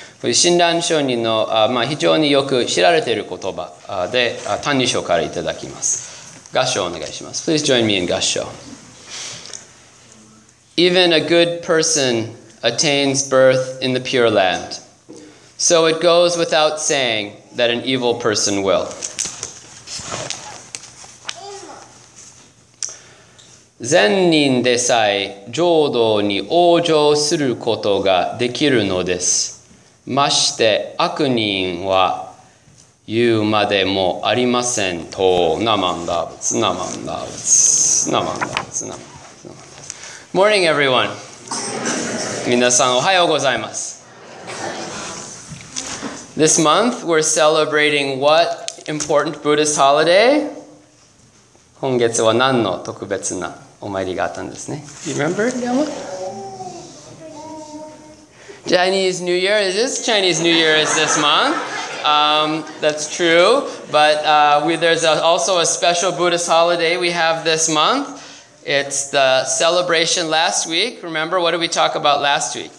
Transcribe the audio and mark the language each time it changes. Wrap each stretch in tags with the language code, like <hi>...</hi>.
<ja>これ Shinran Shonin の非常によく知られている言葉で Tannisho からいただきます。合唱をお願いします。</ja> <en>Please join me in</en> <ja>合唱。</ja> <en>Even a good person attains birth in the Pure Land. So it goes without saying that an evil person will.</en> <ja>善人でさえ浄土に往生することができるのです。まして悪人は言うまでもありませんと。ナマンダーブツ、ナマンダーブツ、ナマンダーブツ、ナマンダーブツ。</ja> <en>Morning, everyone.</en> <ja>皆さんおはようございます。</ja> <en>This month, we're celebrating what important Buddhist holiday?</en> <ja>今月は何の特別なお参りがあったんですね。</ja> <en>You remember? Chinese New Year. Is this Chinese New Year is this month? That's true. But there's also a special Buddhist holiday we have this month. It's the celebration last week. Remember, what did we talk about last week?</en>